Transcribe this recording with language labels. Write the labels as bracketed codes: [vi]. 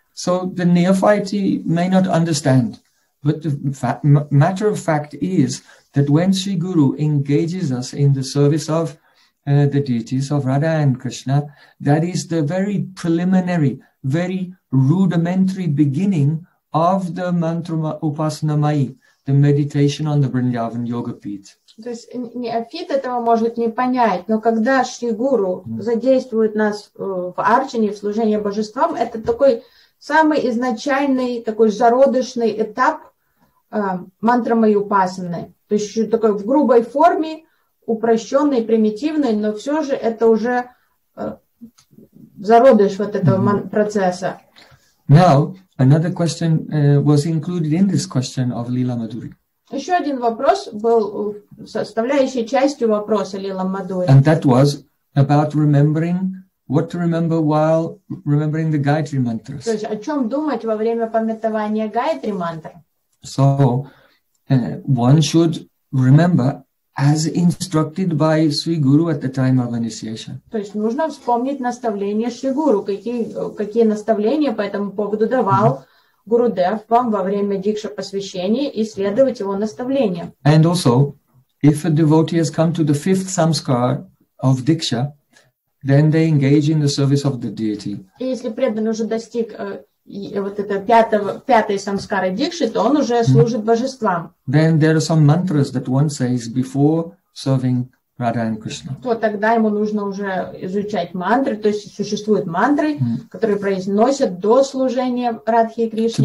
[en] So the neophyte may not understand, but the matter of fact is that when Sri Guru engages us in the service of the deities of Radha and Krishna, that is the very preliminary, very rudimentary beginning of the mantra upasanamayi, the meditation on the Vrindavan yoga peat. [ru] То есть неофит этого может не понять, но когда Шри Гуру задействует нас в арчане, в служении божествам, это такой самый изначальный, такой зародышный этап мантрамай упасаны. То есть такой в грубой форме, упрощенной, примитивной, но все же это уже зародыш вот этого процесса. [en] Now, another question was included in this question of Lila Madhuri. [ru] Еще один вопрос был составляющей частью вопроса Лила Мадури. [en] And that was about remembering what to remember while remembering the Gayatri mantras. [ru] То есть о чем думать во время памятования Гайтри мантр. [en] So one should remember as instructed by Sri Guru at the time of initiation. [ru] То есть нужно вспомнить наставления Шри Гуру, какие наставления по этому поводу давал Гурудев вам во время дикша посвящения и следовать его наставлениям. [en] And also, if a devotee has come to the fifth samskar of diksha, then they engage in the service of the deity. [ru] И если преданный уже достиг вот этого пятой самскары дикши, то он уже служит божествам. [en] Then there are some mantras that one says before serving Radha and Krishna. [ru] То тогда ему нужно уже изучать мантры, то есть существуют мантры, которые произносят до служения Радхи и Кришне.